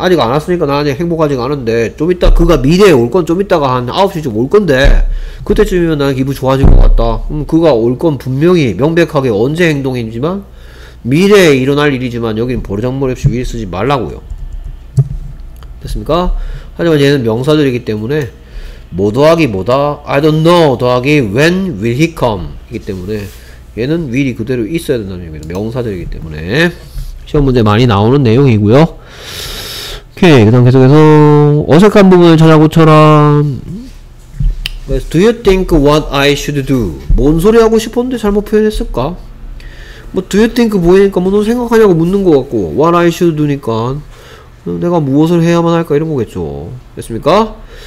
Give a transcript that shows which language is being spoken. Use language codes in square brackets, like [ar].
[ko] 아직 안 왔으니까 나 아직 행복하지가 않은데 좀 이따 그가 미래에 올 건 좀 이따가 한 9시쯤 올 건데 그때쯤이면 나는 기분 좋아질 것 같다. 그가 올 건 분명히 명백하게 언제 행동이지만 미래에 일어날 일이지만 여긴 버르장머리 없이 위에 쓰지 말라고요. 됐습니까? 하지만 얘는 명사절이기 때문에 뭐 더하기 뭐다? [en] I don't know 더하기 when will he come? [ko] 이기 때문에 얘는 will이 그대로 있어야 된다는 얘기입니다. 명사절이기 때문에 시험 문제 많이 나오는 내용이고요. 오케이, 그 다음 계속해서 어색한 부분을 찾아고쳐라. [en] Do you think what I should do? [ko] 뭔 소리 하고 싶었는데 잘못 표현했을까? 뭐 Do you think 뭐니까 뭐 너 생각하냐고 묻는 것 같고 [en] What I should do [ko] 니까 내가 무엇을 해야만 할까 이런 거겠죠. 됐습니까?